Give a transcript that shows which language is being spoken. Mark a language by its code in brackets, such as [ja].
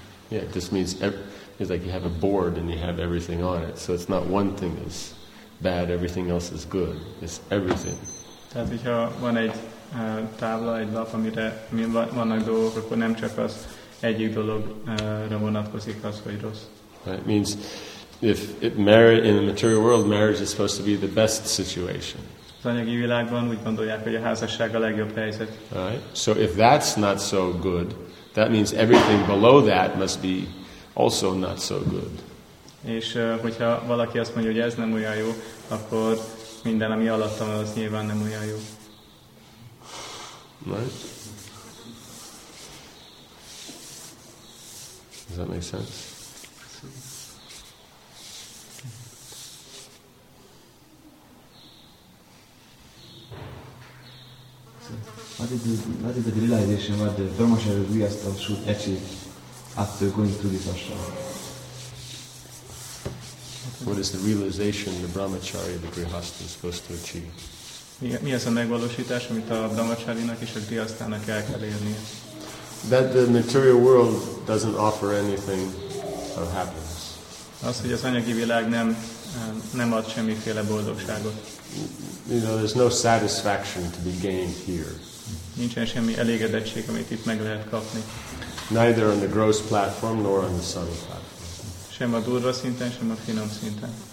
[en] Yeah, this means it's like you have a board and you have everything on it. So it's not one thing is bad, everything else is good. It's everything. [hu] Tehát, hogyha van egy tábla, egy lap, amire vannak dolgok, akkor nem csak az egyik dologra vonatkozik az, hogy rossz. [en] Right, means if it married in the material world, marriage is supposed to be the best situation. [hu] Az anyagi világban úgy gondolják, hogy a házasság a legjobb helyzet. [en] Right. So if that's not so good, that means everything below that must be also not so good. [hu] És hogyha valaki azt mondja, hogy ez nem olyan jó, akkor minden, ami alattam, az nyilván nem olyan jó. [en] Right. Does that make sense? What is the realization what the Brahmacharya Grihastha should achieve after going through this ashram? What is the realization the Brahmacharya, the Grihastha, is supposed to achieve? [hu] Mi az a megvalósítás, amit a Brahmacharinak és a Grihasthának el kell érnie? [en] That the material world doesn't offer anything of happiness. [hu] Az, hogy az anyagi világ nem ad semmiféle boldogságot. [en] You know, there's no satisfaction to be gained here. [hu] Nincsen semmi elégedettség, amit itt meg lehet kapni. [en] Neither on the gross platform nor on the subtle platform. [hu] Sem a durva szinten, sem a finom szinten.